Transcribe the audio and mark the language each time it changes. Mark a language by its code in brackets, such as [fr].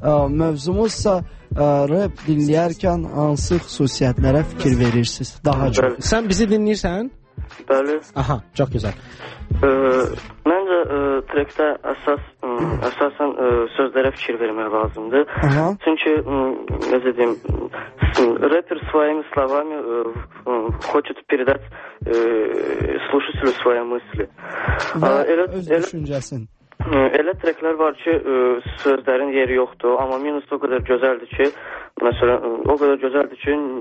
[az] Mövzumuzsa rap dinləyərkən hansı xüsusiyyətlərə fikir verirsiniz? Daha çox. Bəli. Sən bizi dinləyirsən? Bəli. Aha, çox gözəl. Məncə trekdə əsasən sözlərə fikir vermək lazımdır. Aha. Çünki necə deyim, [ru] rapper своими словами хочет передать слушателю свои мысли. [az] Öz düşüncəsin. Elə treklər var ki, sözlərin yeri yoxdur, amma minus o qədər gözəldir ki, məsələn, o qədər gözəldir ki,